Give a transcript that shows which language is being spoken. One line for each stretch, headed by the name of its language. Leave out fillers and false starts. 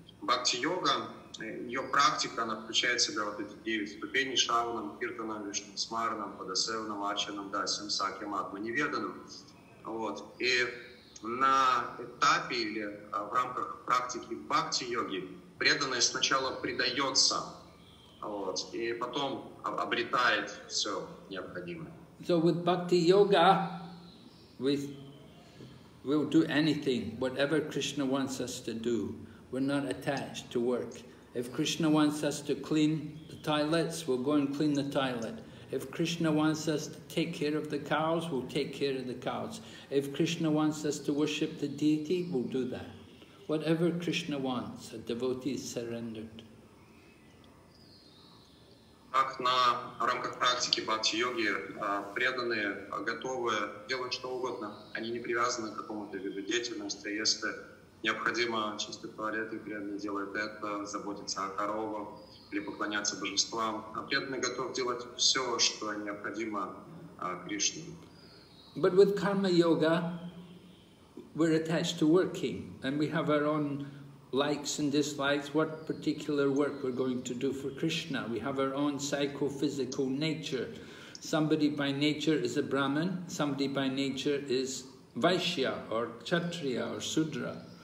Russian: Бхакти-йога, ее практика, она включает в себя вот эти 9 ступеней: шраванам, киртанам, вишнусмаранам, падасевнам, арчанам, дасьям, сакьям, атманиведанам. Вот. И на этапе или в рамках практики бхакти-йоги преданное сначала предается, вот, и потом обретает все необходимое.
English: So with bhakti yoga, we'll do anything, whatever Krishna wants us to do. We're not attached to work. If Krishna wants us to clean the toilets, we'll go and clean the toilet. If Krishna wants us to take care of the cows, we'll take care of the cows. If Krishna wants us to worship the deity, we'll do that. Whatever Krishna wants, a devotee is surrendered.
Russian: Так на рамках практики бхакти-йоги преданные готовы делать что угодно. Они не привязаны к какому-то виду деятельности. Если необходимо чистый туалет, и преданный делает это, заботится о коровах или поклоняться божествам. А преданный готов делать все, что необходимо Кришне.
English: But with karma yoga, we're attached to working, and we have our own likes and dislikes, what particular work we're going to do for Krishna. We have our own psychophysical nature. Somebody by nature is a Brahmin, somebody by nature is Vaishya or Kshatriya or Sudra.